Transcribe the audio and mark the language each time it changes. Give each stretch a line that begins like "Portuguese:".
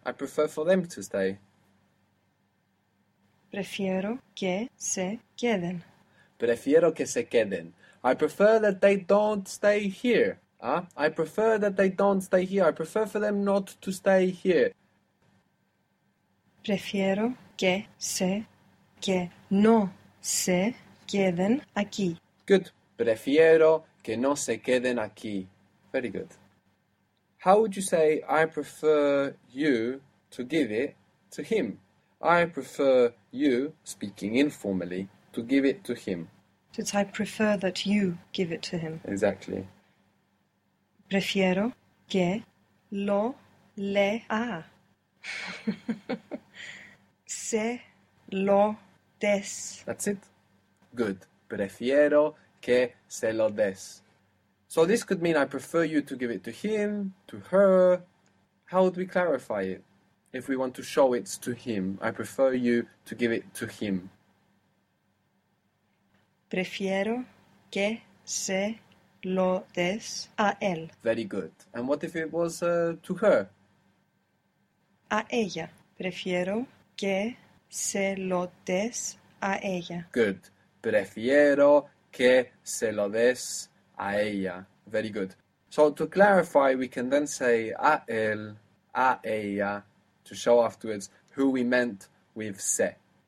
English: I prefer for them to stay.
Spanish: Prefiero que se queden. Prefiero que se queden.
English: I prefer that they don't stay here. I prefer that they don't stay here. I prefer for them not to stay here.
Spanish: Prefiero que se, que no se queden aquí.
English: Good.
Spanish: Prefiero que no se queden aquí.
English: Very good. How would you say, I prefer you to give it to him? I prefer you, speaking informally, to give it to him. It's I prefer that you give it to him. Exactly.
Spanish: Prefiero que lo lea. Se lo des.
English: That's it. Good.
Spanish: Prefiero que se lo des.
English: So this could mean I prefer you to give it to him, to her. How would we clarify it? If we want to show it to him, I prefer you to give it to him.
Spanish: Prefiero que se lo des a él.
English: Very good. And what if it was to her?
Spanish: A ella. Prefiero que se lo des a ella.
English: Good.
Spanish: Prefiero que se lo des a ella.
English: Very good. So to clarify, we can then say
Spanish: a él, a ella,
English: to show afterwards who we meant with se.